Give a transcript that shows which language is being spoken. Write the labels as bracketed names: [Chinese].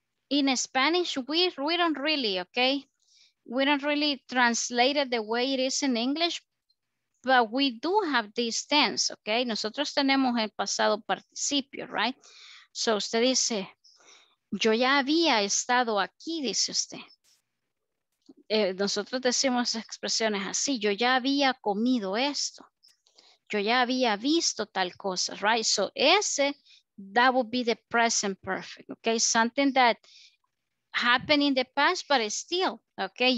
[English] In Spanish, we don't really, okay, we don't really translate it the way it is in English, but we do have this tense, okay? [Spanish] Nosotros tenemos el pasado participio, right? So usted dice, yo ya había estado aquí, dice usted. Nosotros decimos expresiones así, yo ya había comido esto. Yo ya había visto tal cosa, right? [English] So ese, that would be the present perfect, okay? Something that happened in the past, but still, okay?